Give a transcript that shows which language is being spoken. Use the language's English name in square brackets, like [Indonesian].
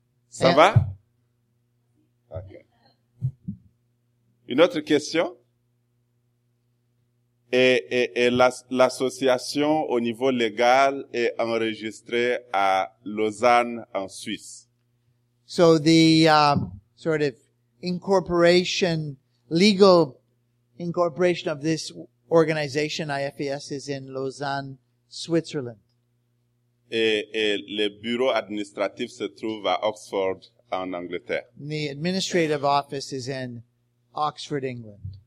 [French] Ça va? Okay. Une autre question? Et l'association au niveau légal est enregistrée à Lausanne en Suisse. [English] So the sort of incorporation, legal incorporation of this organization, IFES, is in Lausanne, Switzerland. [French] Et le bureau administratif se trouve à Oxford, en Angleterre. [English] And the administrative office is in Oxford, England.